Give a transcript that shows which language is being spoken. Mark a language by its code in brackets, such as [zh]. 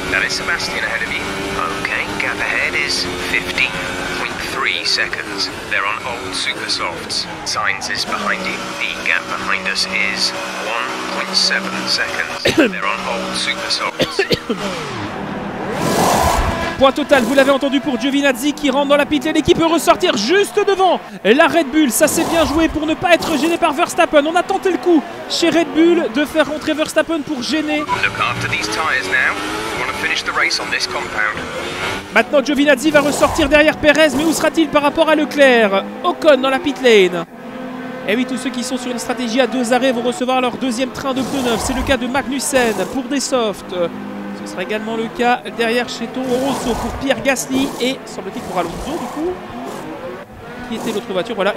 [en] That is Sebastian ahead of you. Okay, gap ahead is 15.3 seconds. They're on old super softs. Sainz is behind you. The gap behind us is 1.7 seconds. They're on old super softs. [fr] Point total, vous l'avez entendu pour Giovinazzi qui rentre dans la pit lane et qui peut ressortir juste devant la Red Bull. Ça s'est bien joué pour ne pas être gêné par Verstappen. On a tenté le coup chez Red Bull de faire rentrer Verstappen pour gêner. [en] Look after these tires now. We want to finish the race on this compound. [fr] Maintenant Giovinazzi va ressortir derrière Perez, mais où sera-t-il par rapport à Leclerc? Ocon dans la pit lane. Et oui, tous ceux qui sont sur une stratégie à deux arrêts vont recevoir leur deuxième train de pneus neufs. C'est le cas de Magnussen pour des softs. Ce sera également le cas derrière chez Toro Rosso pour Pierre Gasly et semble-t-il pour Alonso du coup. Qui était l'autre voiture, voilà.